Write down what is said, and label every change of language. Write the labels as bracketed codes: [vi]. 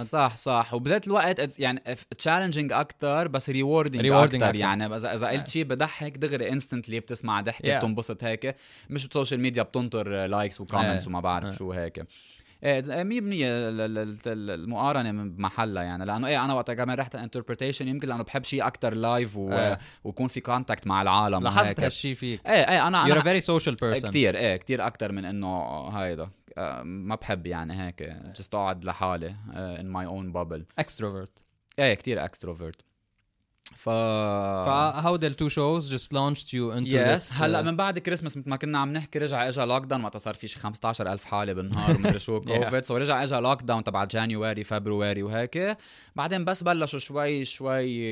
[ar] صح صح وبذات الوقت يعني challenging أكتر بس rewarding أكتر يعني إذا قلت شيء بضحك دغري instantly بتسمع ضحكة بتنبسط هيك مش بسوشيال ميديا بتنطر likes وcomments وما بعرف شو هيك مية بنية المقارنة بمحلها يعني لأنه أنا وقتها كمان رحت interpretation يمكن لأنه بحب شيء أكتر live ويكون في contact مع العالم لاحظت هالشي فيك أنا [en] you're a very social person [ar] كتير كتير أكتر من أنه هيدا ما بحب يعني هيك just أقعد لحالي in my own bubble [en] extrovert [ar] كتير extrovert [en] how the two shows just launched you into yes. [ar] this هلا من بعد كريسمس مثل ما كنا عم نحكي رجع اجى لوك داون وقت صار في شي 15000 حاله بالنهار ومدري شو كوفيد سو رجع اجى لوك داون تبع جانيوري فبراير وهيك بعدين بس بلشوا شوي شوي